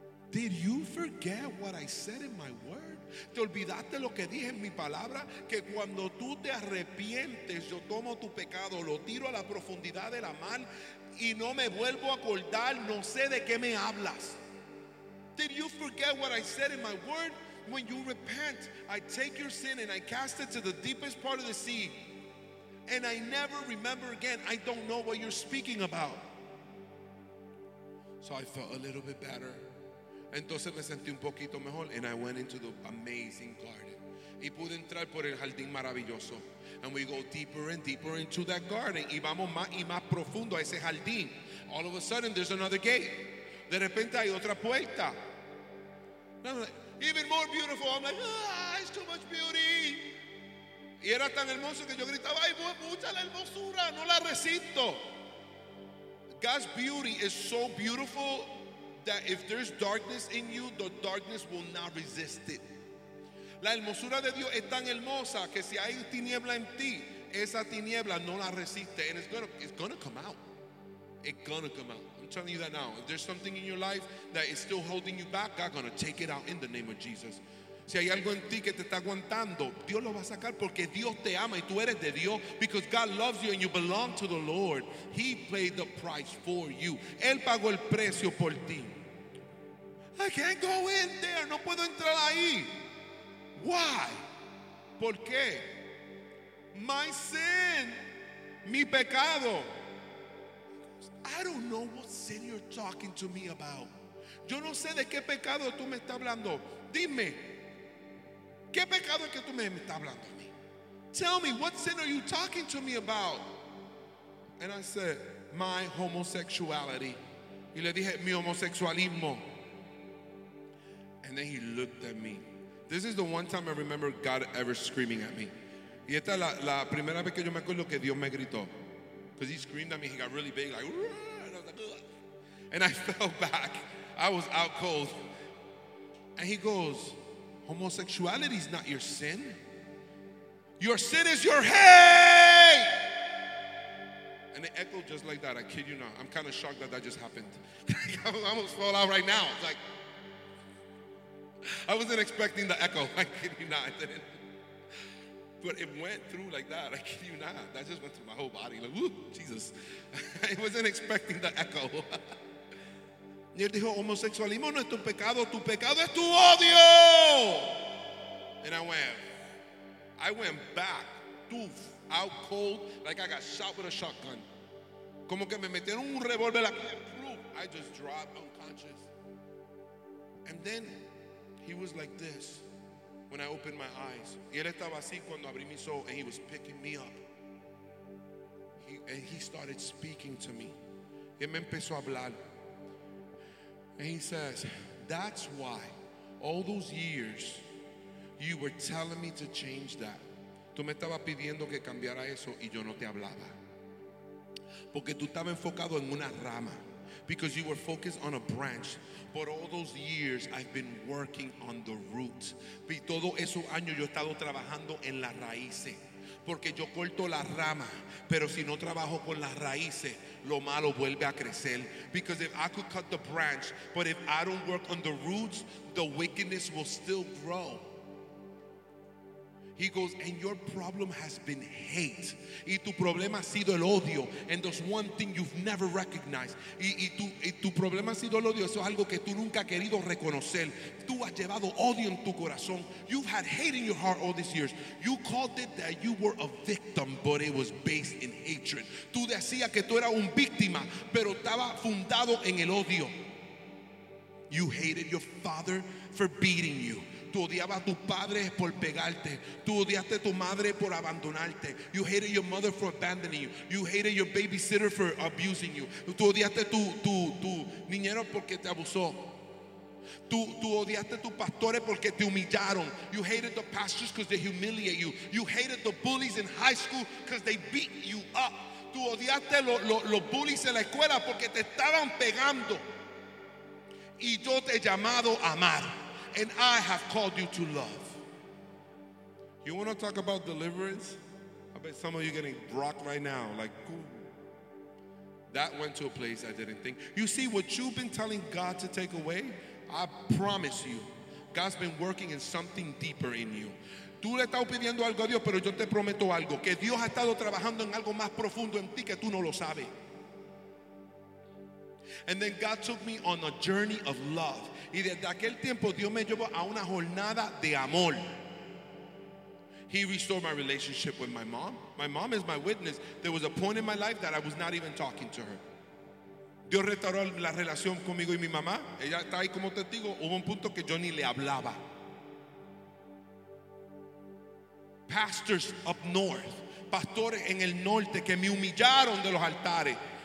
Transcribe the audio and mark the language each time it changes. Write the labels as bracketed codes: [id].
[en] Did you forget what I said in my word? [es] ¿Te olvidaste lo que dije en mi palabra? Que cuando tú te arrepientes, yo tomo tu pecado, lo tiro a la profundidad de la mar y no me vuelvo a acordar, no sé de qué me hablas. [en] Did you forget what I said in my word? When you repent, I take your sin and I cast it to the deepest part of the sea. And I never remember again. I don't know what you're speaking about. So I felt a little bit better. [es] Entonces me sentí un poquito mejor. [en] And I went into the amazing garden. [es] Y pude entrar por el jardín maravilloso. [en] And we go deeper and deeper into that garden. [es] Y vamos más y más profundo a ese jardín. [en] All of a sudden, there's another gate. [es] De repente hay otra puerta. [en] I'm like, even more beautiful. I'm like, ah, it's too much beauty. [es] Y era tan hermoso que yo gritaba, ay, mucha la hermosura, no la resisto. [en] God's beauty is so beautiful that if there's darkness in you, the darkness will not resist it. [es] La hermosura de Dios es tan hermosa que si hay tiniebla en ti, esa tiniebla no la resiste. [en] And it's gonna come out. It's gonna come out. I'm telling you that now. If there's something in your life that is still holding you back, God's gonna take it out in the name of Jesus. [es] Si hay algo en ti que te está aguantando, Dios lo va a sacar porque Dios te ama y tú eres de Dios. [en] Because God loves you and you belong to the Lord. He paid the price for you. [es] Él pagó el precio por ti. [en] I can't go in there. [es] No puedo entrar ahí. [en] Why? [es] ¿Por qué? [en] My sin. [es] Mi pecado. [en] I don't know what sin you're talking to me about. [es] Yo no sé de qué pecado tú me estás hablando. Dime, ¿qué pecado es que tú me estás hablando a mí? [en] Tell me, what sin are you talking to me about? And I said, my homosexuality. [es] Y le dije, mi homosexualismo. [en] And then he looked at me. This is the one time I remember God ever screaming at me. [es] Y esta es la primera vez que yo me acuerdo que Dios me gritó. [en] Because he screamed at me. He got really big. Like, and I was like, ugh. And I fell back. I was out cold. And he goes, homosexuality is not your sin. Your sin is your hate. And it echoed just like that. I kid you not. I'm kind of shocked that that just happened. I almost fall out right now. It's like, I wasn't expecting the echo. I kid you not. I didn't. But it went through like that. I kid you not. That just went through my whole body. Like, woo, Jesus. I wasn't expecting the echo. [es] Y él dijo, homosexualismo no es tu pecado es tu odio. [en] And I went back, doof, out cold, like I got shot with a shotgun. [es] Como que me metieron un revólver, [en] like, I just dropped unconscious. And then he was like this when I opened my eyes. [es] Y él estaba así cuando abrí mis ojos, [en] and he was picking me up. He started speaking to me. [es] Y él me empezó a hablar. [en] And he says, that's why all those years you were telling me to change that. [es] Tú me estabas pidiendo que cambiara eso y yo no te hablaba. Porque tú estabas enfocado en una rama. [en] Because you were focused on a branch. But all those years I've been working on the root. [es] Y todo esos años yo he estado trabajando en las raíces. Porque yo corto la rama, pero si no trabajo con las raíces, lo malo vuelve a crecer. [en] Because if I could cut the branch, but if I don't work on the roots, the wickedness will still grow. He goes, and your problem has been hate. [es] Y tu problema ha sido el odio. [en] And there's one thing you've never recognized. [es] Y tu problema ha sido el odio. Eso es algo que tú nunca has querido reconocer. Tú has llevado odio en tu corazón. [en] You've had hate in your heart all these years. You called it that you were a victim, but it was based in hatred. [es] Tú decías que tú eras un víctima, pero estaba fundado en el odio. [en] You hated your father for beating you. [es] Tú odiabas a tus padres por pegarte. Tú odiaste a tu madre por abandonarte. [en] You hated your mother for abandoning you. You hated your babysitter for abusing you. [es] Tú odiaste a tu niñero porque te abusó. Tú odiaste a tus pastores porque te humillaron. [en] You hated the pastors because they humiliate you. You hated the bullies in high school because they beat you up. [es] Tú odiaste los bullies en la escuela porque te estaban pegando. Y yo te he llamado a amar. [en] And I have called you to love. You want to talk about deliverance? I bet some of you are getting rocked right now. Like, ooh. That went to a place I didn't think. You see, what you've been telling God to take away, I promise you, God's been working in something deeper in you. [es] Tú le estás pidiendo algo a Dios, pero yo te prometo algo. Que Dios ha estado trabajando en algo más profundo en ti que tú no lo sabes. [en] And then God took me on a journey of love. [es] Y desde aquel tiempo Dios me llevó a una jornada de amor. [en] He restored my relationship with my mom. My mom is my witness. There was a point in my life that I was not even talking to her. [es] Dios restauró la relación conmigo y mi mamá. Ella está ahí como testigo. Hubo un punto que yo ni le hablaba. [en] Pastors up north. [es] Pastores en el norte que me humillaron de los altares.